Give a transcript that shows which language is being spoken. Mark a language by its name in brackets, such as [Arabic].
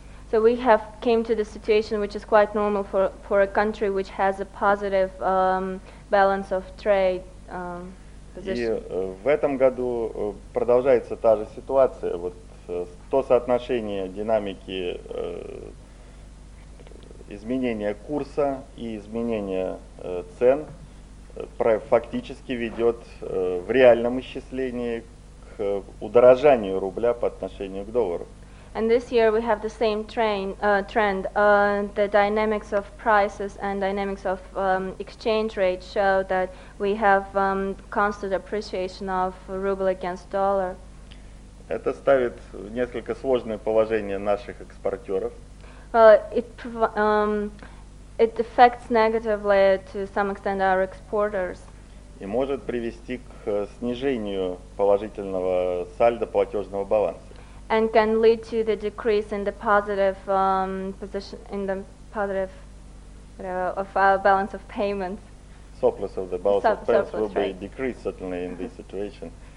[English] So we have came to the situation which is quite normal for a country which has a positive balance of trade position. [Russian] И в этом году продолжается та же ситуация, вот то соотношение динамики изменения курса и изменения цен фактически ведет в реальном исчислении к удорожанию рубля по отношению к доллару. [English] And this year we have the same trend. The dynamics of prices and dynamics of exchange rate show that we have constant appreciation of ruble against dollar. [Russian] Это ставит несколько сложное положение наших экспортеров. [English] Well, it affects negatively to some extent our exporters. [Russian] И может привести к снижению положительного сальдо платежного баланса. [English] And can lead to the decrease in the positive position in the positive of our balance of payments. Surplus of the balance of payments will be decreased certainly in this situation.